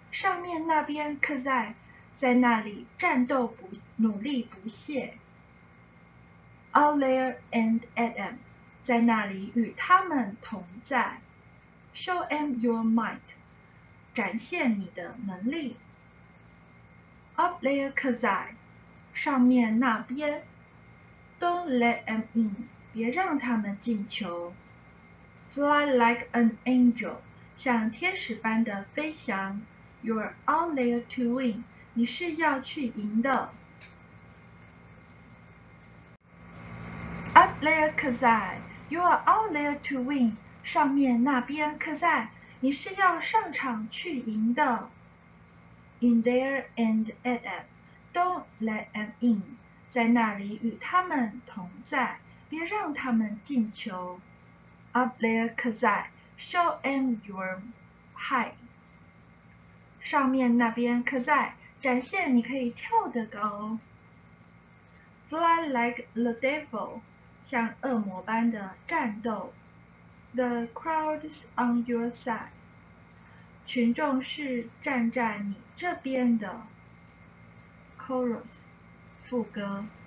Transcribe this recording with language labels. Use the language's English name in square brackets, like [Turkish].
[Chinese] 上面那边 ，Kazai， 在那里战斗不努力不懈。 [English] Out there and at them， [Chinese] 在那里与他们同在。 [English] Show them your might， [Chinese] 展现你的能力。 [English] Up there, Kazai， [Chinese] 上面那边。 [English] Don't let them in， [Chinese] 别让他们进球。 [English] Fly like an angel， [Chinese] 像天使般的飞翔。 [English] You're out there to win， [Chinese] 你是要去赢的。 [English] Up there, Kazai， you're out there to win， [Chinese] 上面那边 Kazai， 你是要上场去赢的。 [English] In there and at them， don't let them in， [Chinese] 在那里与他们同在，别让他们进球。 [English] Up there, Kazai, show them your height。 [Chinese] 上面那边 Kazai, 展现你可以跳得高。 [English] Fly like the devil, [Chinese] 像恶魔般的战斗。 [English] The crowd's on your side, [Chinese] 群众是站在你这边的。 Chorus, 副歌。